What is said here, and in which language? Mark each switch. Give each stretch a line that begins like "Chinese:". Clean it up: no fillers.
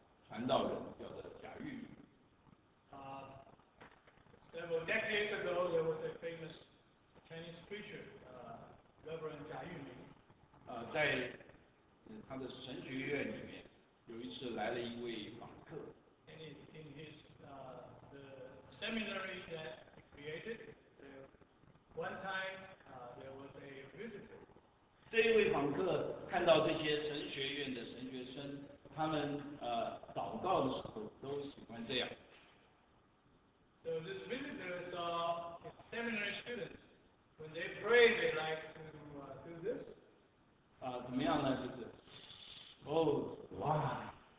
Chinese: 在早年的时候，中国有一位很有名的传道人，叫做贾玉。
English: Several decades ago, there was a famous Chinese preacher, Reverend 贾玉明.
Chinese: 在他的神学院里面，有一次来了一位访客.
English: And in his the seminary that he created, one time there was a visitor.
Chinese: 这一位访客看到这些神学院的神学生，他们祷告的时候都喜欢这样。
English: So this visitor saw his seminary students when they pray, they like to do this.
Chinese: 怎么样呢？就是
English: Oh, why?